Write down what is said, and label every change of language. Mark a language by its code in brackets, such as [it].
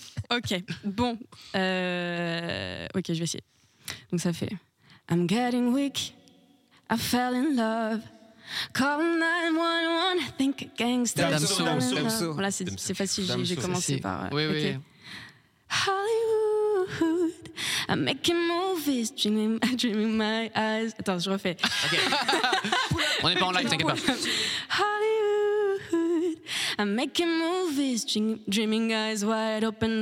[fr] Ok. Bon. Ok, je vais essayer. Donc, ça fait. [en] I'm getting weak. I fell in love. Call 911. I think a gangster. [fr] Damso. Voilà, c'est facile. J'ai commencé par. Oui, oui. [en] Hollywood. hood. I'm making movies, dreaming my eyes. [fr] Attends, je refais. Okay. On n'est pas en live, t'inquiète pas. [en] Hollywood. I'm making movies, dreaming eyes wide open.